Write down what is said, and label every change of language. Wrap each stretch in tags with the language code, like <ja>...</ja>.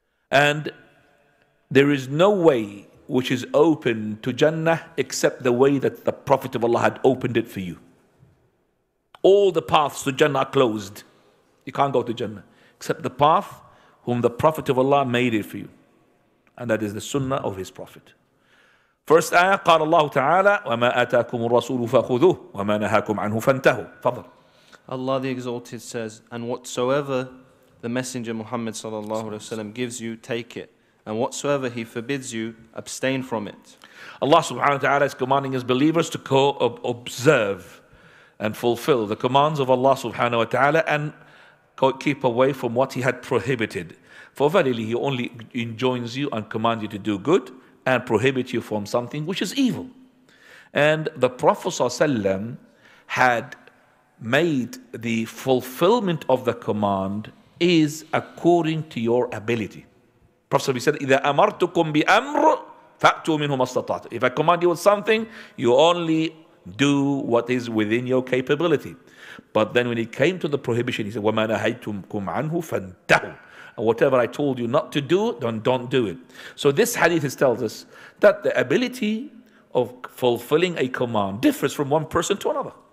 <en>And there is no way which is open to Jannah except the way that the Prophet of Allah had opened it for you. All the paths to Jannah are closed. You can't go to Jannah except the path whom the Prophet of Allah made it for you. And that is the Sunnah of his Prophet. First ayah,</en> <ar>قال الله تعالى وَمَا أَتَاكُمُ الرَّسُولُ فَخُذُوهُ وَمَا نَهَاكُمْ عَنْهُ فَانْتَهُوا. فضل.</ar> <en>Allah the Exalted says, and whatsoever the Messenger Muhammad sallallahu alayhi wa sallam gives you, take it. And whatsoever he forbids you, abstain from it. Allah subhanahu wa ta'ala is commanding his believers to observe and fulfill the commands of Allah subhanahu wa ta'ala and keep away from what he had prohibited. For verily, he only enjoins you and commands you to do good and prohibit you from something which is evil. And the Prophet ﷺ had made the fulfillment of the command is according to your ability. Prophet ﷺ said,</en> <ar>إِذَا أَمَرْتُكُمْ بِأَمْرُ فَأْتُوا مِنْهُ مَا اسْتَطَعْتُ.</ar> <en>If I command you with something, you only do what is within your capability. But then when he came to the prohibition, he said,</en> <ar>وَمَا نَهَيْتُمْكُمْ عَنْهُ فَانْتَهُ.</ar> <en>Whatever I told you not to do, then don't do it. So this hadith tells us that the ability of fulfilling a command differs from one person to another.</en>